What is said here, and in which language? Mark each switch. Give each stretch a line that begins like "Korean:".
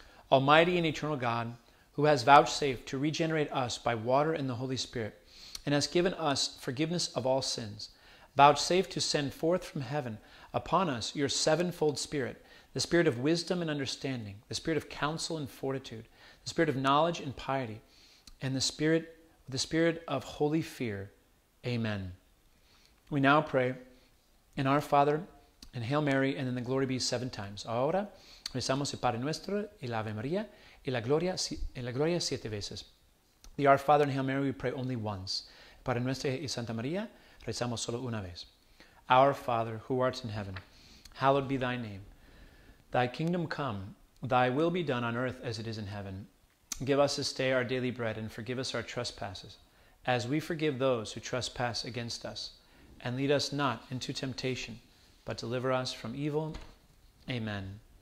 English: Almighty and eternal God, who has vouchsafed to regenerate us by water and the Holy Spirit, and has given us forgiveness of all sins, vouchsafe to send forth from heaven upon us your sevenfold Spirit, the Spirit of wisdom and understanding, the Spirit of counsel and fortitude, the Spirit of knowledge and piety, and the Spirit of holy fear. Amen. We now pray in our Father, and Hail Mary, and then the Glory Be seven times.
Spanish: Ahora rezamos el Padre Nuestro y la Ave María y la Gloria siete veces.
English: The Our Father and Hail Mary we pray only once.
Spanish: Padre Nuestro y Santa María rezamos solo una vez.
English: Our Father, who art in heaven, hallowed be thy name. Thy kingdom come, thy will be done on earth as it is in heaven. Give us this day our daily bread, and forgive us our trespasses, as we forgive those who trespass against us. And lead us not into temptation, but deliver us from evil. Amen.